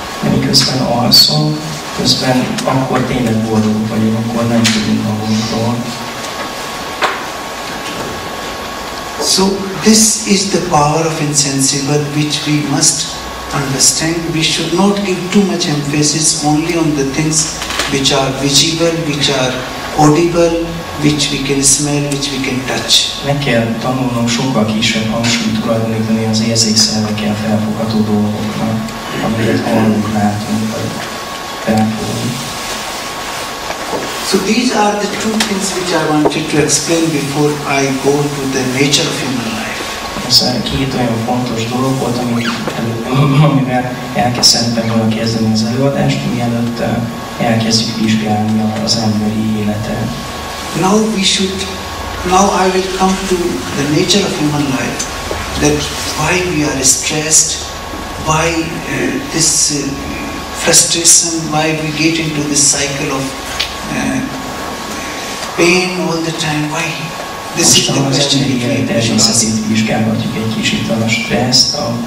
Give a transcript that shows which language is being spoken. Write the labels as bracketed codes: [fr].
[hu] Miközben alszom, közben akkor tényleg boldog vagyok, akkor nem tudunk magunkról. [en] So this is the power of insensible which we must understand. We should not give too much emphasis only on the things which are visible, which are audible, which we can smell, which we can touch. [hu] Meg kell tanulnom sokkal kisebb hangsúlyt tulajdonítani az érzékszervekkel felfogható dolgoknak, amiket hallunk, látunk, vagy felfogunk. [en] So these are the two things which I wanted to explain before I go to the nature of human life. [hu] Ez két olyan fontos dolog volt, amivel elkezdtem volna kezdeni az előadást, mielőtt elkezdjük vizsgálni az emberi életet. [en] Now I will come to the nature of human life, that why we are stressed, why this frustration, why we get into this cycle of pain all the time, why? This most is the question we need to ask. [hu] Most itt vizsgálhatjuk egy kicsit a stresszt.